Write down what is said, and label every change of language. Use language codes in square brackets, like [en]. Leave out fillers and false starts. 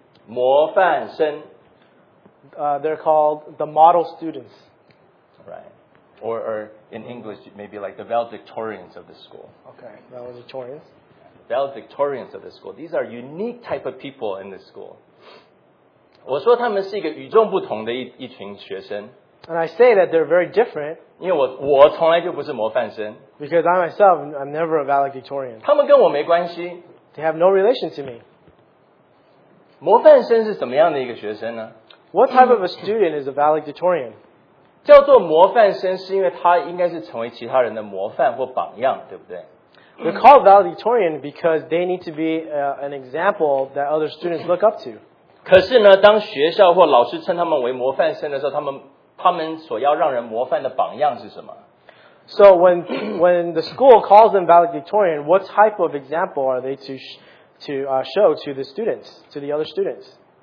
[zh] 模范生。 [en] They're called the model students. Right. Or in English, maybe like the valedictorians of the school. Okay, valedictorians. Valedictorians of the school. These are unique type of people in the school. [zh] 我说他们是一个与众不同的一群学生。 [en] And I say that they're very different. [zh] 因为我从来就不是模范生。 [en] Because I myself, I'm never a valedictorian. [zh] 他们跟我没关系。 [en] They have no relation to me. [zh] 模范生是怎么样的一个学生呢？ [en] What type of a student is a valedictorian? [zh] 叫做模范生是因为他应该是成为其他人的模范或榜样，对不对？ [en] They're called valedictorian because they need to be an example that other students look up to. [zh] 可是呢，当学校或老师称他们为模范生的时候，他们所要让人模范的榜样是什么？ [en] So when the school calls them valedictorian, what type of example are they to show to the students, to the other students?